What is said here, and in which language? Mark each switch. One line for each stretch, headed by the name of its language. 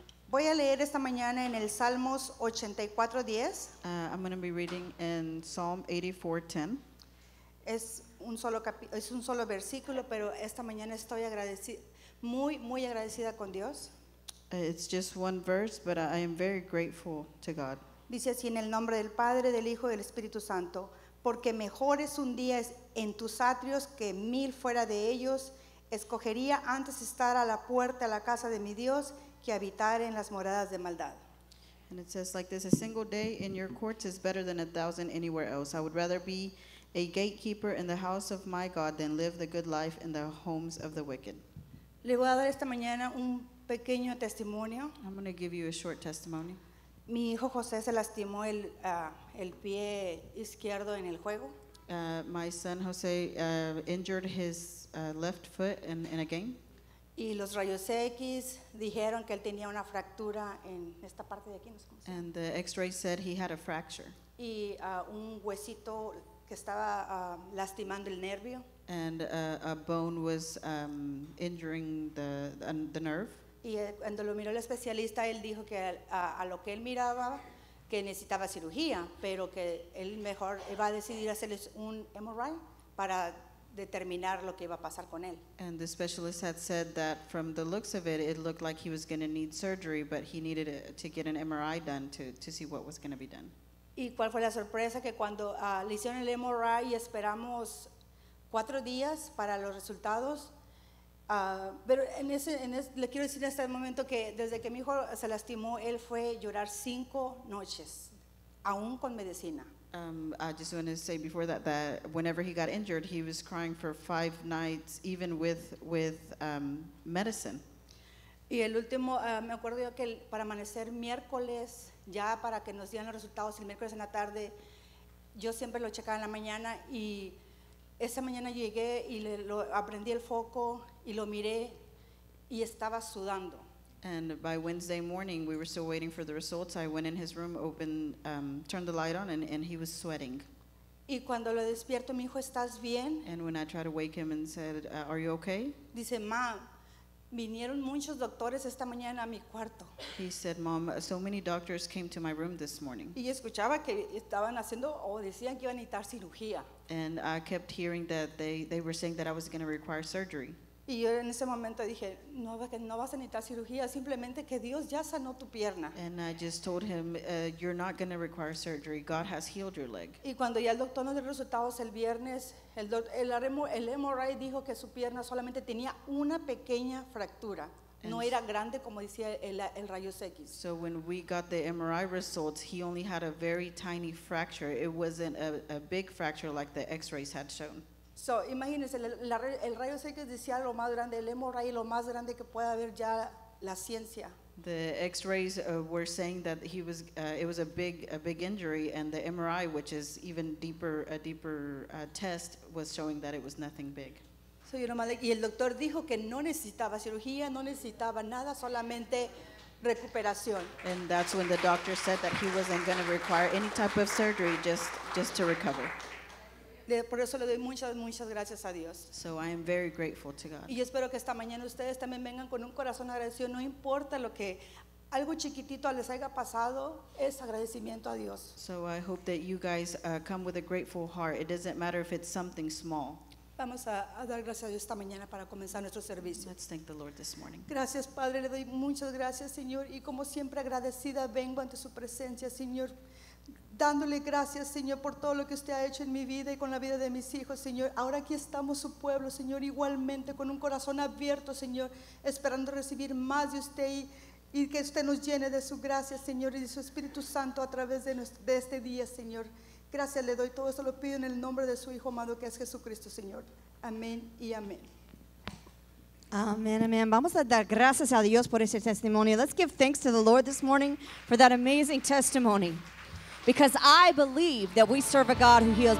Spanish: Voy a leer esta mañana en el Salmos 84:10.
English: I'm going to be reading in Psalm 84:10.
Spanish: Es un solo versículo, pero esta mañana estoy muy agradecida con Dios.
English: It's just one verse, but I am very grateful to God.
Spanish: Dice así: en el nombre del Padre, del Hijo y del Espíritu Santo, porque mejor es un día en tus atrios que mil fuera de ellos, escogería antes estar a la puerta a la casa de mi Dios que habitar en las moradas de maldad.
English: And it says like this: a single day in your courts is better than a thousand anywhere else. I would rather be a gatekeeper in the house of my God than live the good life in the homes of the wicked.
Spanish: Le voy a dar esta mañana un pequeño testimonio.
English: I'm going to give you a short testimony.
Spanish: Mi hijo José se lastimó el pie izquierdo en el juego.
English: My son José injured his left foot in a game.
Spanish: Y los rayos X dijeron que él tenía una fractura en esta parte de aquí. No sé cómo se
English: and the X-ray said he had a fracture.
Spanish: Y un huesito que estaba lastimando el nervio.
English: And a bone was injuring the nerve.
Spanish: Y cuando lo miró el especialista, él dijo que a lo que él miraba, que necesitaba cirugía, pero que él mejor iba a decidir hacerles un MRI para determinar lo que iba a pasar con él.
English: And the specialist had said that from the looks of it, it looked like he was going to need surgery, but he needed to get an MRI done to see what was going to be done.
Spanish: ¿Y cuál fue la sorpresa? Que cuando le hicieron el MRI y esperamos 4 días para los resultados, pero le quiero decir en este momento que desde que mi hijo se lastimó, él fue llorar 5 noches, aún con medicina.
English: I just want to say before that whenever he got injured, he was crying for 5 nights, even with medicine.
Spanish: Y el último, me acuerdo yo que para amanecer miércoles, ya para que nos dieran los resultados el miércoles en la tarde, yo siempre lo checaba en la mañana y esa mañana llegué y aprendí el foco y lo miré y estaba sudando.
English: And by Wednesday morning, we were still waiting for the results. I went in his room, turned the light on, and he was sweating.
Spanish: Y cuando lo despierto, mi hijo, ¿estás bien?
English: And when I tried to wake him and said, are you okay?
Spanish: Dice, ma, vinieron muchos doctores esta mañana a mi cuarto.
English: He said, mom, so many doctors came to my room this morning.
Spanish: Y escuchaba que estaban haciendo o decían que iban a necesitar cirugía.
English: And I kept hearing that they were saying that I was going to require surgery.
Spanish: Y yo en ese momento dije, no vas a necesitar cirugía, simplemente que Dios ya sanó tu pierna.
English: And I just told him, you're not going to require surgery. God has healed your leg.
Spanish: Y cuando ya el doctor nos dio resultados el viernes, el MRI dijo que su pierna solamente tenía una pequeña fractura. No era grande como decía el rayos X.
English: So when we got the MRI results, he only had a very tiny fracture. It wasn't a big fracture like the X-rays had shown.
Spanish: So, imagínense, el rayo X decía lo más grande, el MRI lo más grande que pueda haber ya la ciencia.
English: The X-rays were saying that he was, it was a big injury, and the MRI, which is even deeper, a deeper test, was showing that it was nothing big. So, you know,
Spanish: y el doctor dijo que no necesitaba cirugía, no necesitaba nada, solamente recuperación.
English: And that's when the doctor said that he wasn't going to require any type of surgery, just to recover.
Spanish: Por eso le doy muchas gracias a Dios.
English: So I am very grateful to God.
Spanish: Y yo espero que esta mañana ustedes también vengan con un corazón agradecido. No importa lo que algo chiquitito les haya pasado, es agradecimiento a Dios.
English: So I hope that you guys come with a grateful heart. It doesn't matter if it's something small.
Spanish: Vamos a dar gracias a Dios esta mañana para comenzar nuestro servicio.
English: Let's thank the Lord this morning.
Spanish: Gracias, Padre. Le doy muchas gracias, Señor. Y como siempre agradecida vengo ante su presencia, Señor, dándole gracias, Señor, por todo lo que usted ha hecho en mi vida y con la vida de mis hijos, Señor. Ahora aquí estamos su pueblo, Señor, igualmente con un corazón abierto, Señor, esperando recibir más de usted y que usted nos llene de su gracia, Señor, y de su Espíritu Santo a través de este día, Señor. Gracias le doy, todo eso lo pido en el nombre de su Hijo amado, que es Jesucristo, Señor. Amén y amén.
English: Amen, amen.
Spanish: Vamos a dar gracias a Dios por ese testimonio.
English: Let's give thanks to the Lord this morning for that amazing testimony. Because I believe that we serve a God who heals.